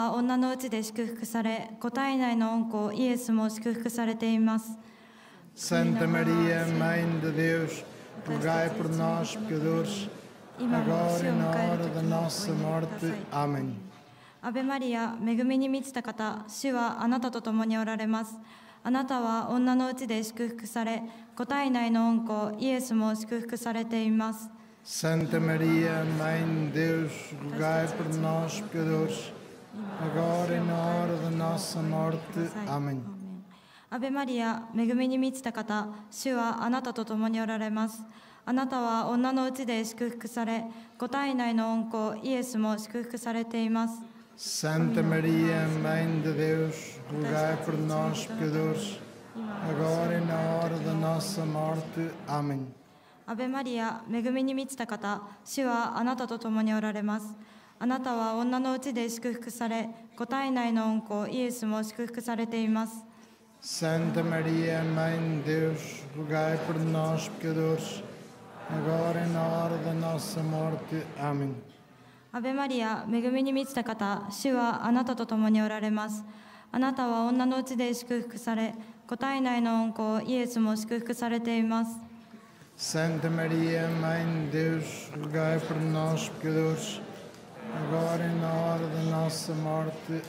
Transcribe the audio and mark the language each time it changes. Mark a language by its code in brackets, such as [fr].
[ja] あなたは女のうちで祝福され, 子体内の御子イエスも祝福されています。 [pt] Santa Maria, Mãe de Deus, rogai por nós, pecadores, agora e na hora da nossa morte. Amém. [ja] Ave Maria, 恵みに満ちた方, 主はあなたと共におられます。あなたは女のうちで祝福され, 子体内の御子イエスも祝福されています。 [pt] Santa Maria, Mãe de Deus, rogai por nós, pecadores, agora e na hora da nossa morte. Amém. [ja] Ave Maria, 恵みに満ちた方, 主はあなたと共におられます。あなたは女のうちで祝福され, 子体内の御子イエスも祝福されています。 [pt] Santa Maria, Mãe de Deus, rogai por nós, pecadores, agora e na hora da nossa morte. Amém. [ja] Ave Maria, 恵みに満ちた方, 主はあなたと共におられます。あなたは女のうちで祝福され, 子体内の御子イエスも祝福されています。 [pt] Santa Maria, Mãe de Deus, rogai por nós, pecadores, agora e na hora da nossa morte. Amém. [ja] Ave Maria, 恵みに満ちた方, 主はあなたと共におられます。あなたは女のうちで祝福され, 子体内の御子イエスも祝福されています。 [pt] Santa Maria, Mãe de Deus, rogai por nós, pecadores, agora e na hora da nossa morte.